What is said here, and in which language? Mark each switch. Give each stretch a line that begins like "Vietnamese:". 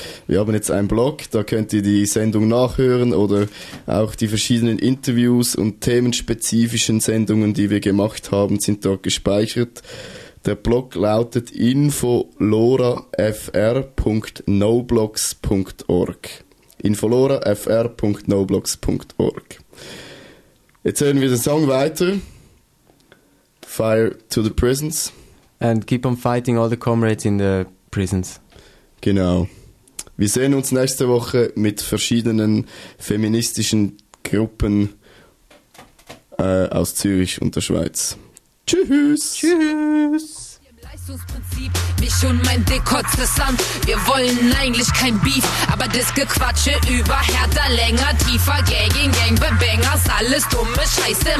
German: Wir haben jetzt einen Blog, da könnt ihr die Sendung nachhören oder auch die verschiedenen Interviews und themenspezifischen Sendungen, die wir gemacht haben, sind dort gespeichert. Der Blog lautet infolorafr.noblogs.org. infolorafr.noblogs.org. Jetzt hören wir den Song weiter.
English: Fire to the prisons. And keep on fighting all the comrades in the prisons.
German: Genau. Wir sehen uns nächste Woche mit verschiedenen feministischen Gruppen aus Zürich und der Schweiz. Tschüss! Tschüss! Prinzip, wie schon mein Dick kotzt das Land. Wir wollen eigentlich kein Beef, aber das Gequatsche über härter, länger, tiefer, Gagging, Gangbangers, alles dumme Scheiße.